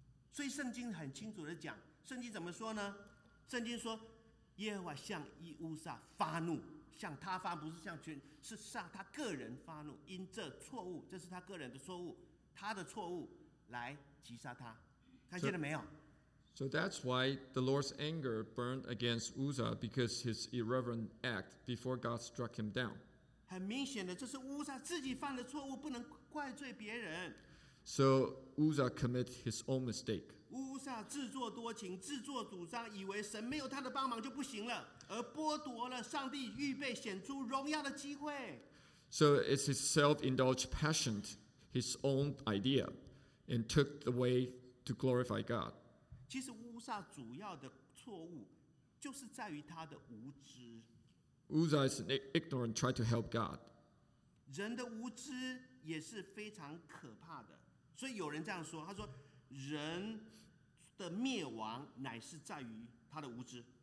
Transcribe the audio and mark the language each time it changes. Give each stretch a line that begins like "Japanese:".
Chinese: 所以圣经很清楚的讲，圣经怎么说呢？圣经说，耶和华向乌撒发怒，向他发，不是向全，是向他个人发怒，因这错误，这是他个人的错误，他的错误来击杀他。看见了没有？
English: So, So that's why the Lord's anger burned against Uzzah because his irreverent act before God struck him down.
Chinese: 很明显的，这是乌撒自己犯的错误，不能怪罪别人。
English: So Uzzah commit his own mistake.
Chinese: 乌撒自作多情，自作主张，以为神没有他的帮忙就不行了，而剥夺了上帝预备显出荣耀的机会。
English: So it's his self-indulged passion, his own idea, and took the way to glorify God.
Chinese: 其实乌撒主要的错误就是在于他的无知。
English: Uzzah is an ignorant, try to help God.
Chinese: 人的无知也是非常可怕的。所以有人这样说，他说人的灭亡乃是在于他的无知。